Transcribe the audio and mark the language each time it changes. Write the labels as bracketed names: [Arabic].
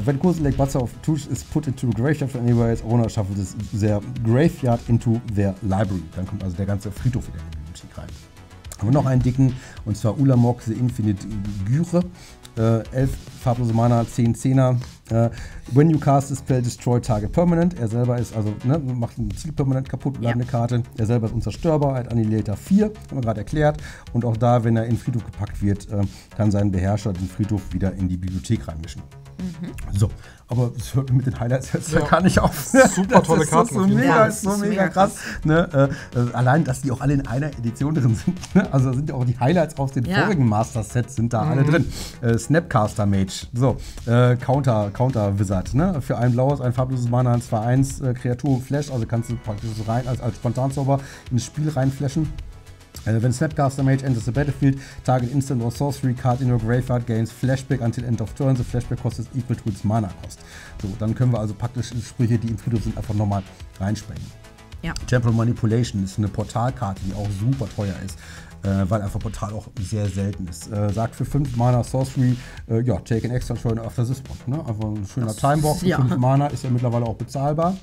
[English] Wenn Kozilek, Butcher of Truth is put into the graveyard for anybody, its owner shuffles their graveyard into their library. [German] Dann kommt also der ganze Friedhof wieder in den Spiel rein. Aber noch einen dicken, und zwar Ulamog, the Infinite Gyre. 11 farblose Mana, 10 Zehner. [English] When you cast a spell, destroy target permanent. [German] Er selber ist also, ne, macht ein Ziel permanent kaputt, bleibende Karte. Er selber ist unzerstörbar, hat Annihilator 4, haben wir gerade erklärt. Und auch da, wenn er in den Friedhof gepackt wird, kann sein Beherrscher den Friedhof wieder in die Bibliothek reinmischen. Mhm. So, aber es hört mit den Highlights jetzt gar nicht auf. Super tolle Karte. Das ist so mega, krass. Ne? Allein, dass die auch alle in einer Edition drin sind. Ne? Also sind ja auch die Highlights aus den vorigen Master-Sets sind da alle drin. Snapcaster Mage. So, Counter Wizard. Ne? Für ein blaues, ein farbloses Mana, ein 2-1 Kreatur Flash. Also kannst du praktisch rein als Spontanzauber ins Spiel reinflashen. [English] Wenn Snapcaster Mage enters the battlefield, target instant or sorcery card in your graveyard gains Flashback until end of turn. The Flashback cost is equal to its Mana cost. [German] So, dann können wir also praktisch Sprüche, die im Friedhof sind, einfach nochmal reinsprengen. Ja. Temporal Manipulation ist eine Portalkarte, die auch super teuer ist, weil einfach Portal auch sehr selten ist. Sagt für 5 Mana Sorcery, [English] take an extra turn after this one. [German] Ne? Einfach ein schöner Timebox für 5 Mana, ist ja mittlerweile auch bezahlbar.